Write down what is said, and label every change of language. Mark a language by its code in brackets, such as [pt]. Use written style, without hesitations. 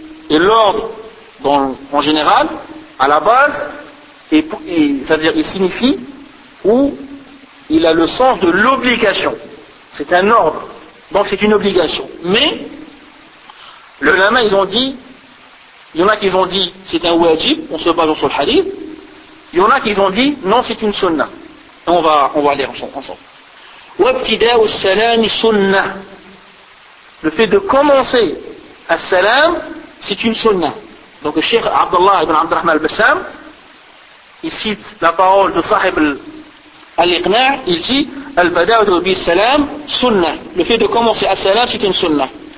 [fr] Et l'ordre, en général, à la base, c'est-à-dire il signifie ou il a le sens de l'obligation. C'est un ordre, donc c'est une obligation. Mais, le lama, ils ont dit, il y en a qui ont dit c'est un wajib, on se base sur le hadith. Il y en a qui ont dit non, c'est une sunna. On va aller ensemble. [ar] وَابْتِدَاءُ السَّلَامِ sunna. [fr] Le fait de commencer à salam, c'est une sunna. Donc le Cheikh Abdallah ibn Abdurrahman al-Bassam, il cite la parole de Sahib al-Iqna', il dit [ar] الْبَدَاءُ بِالسَّلَامِ [fr] sunna. Le fait de commencer à salam, c'est une sunna.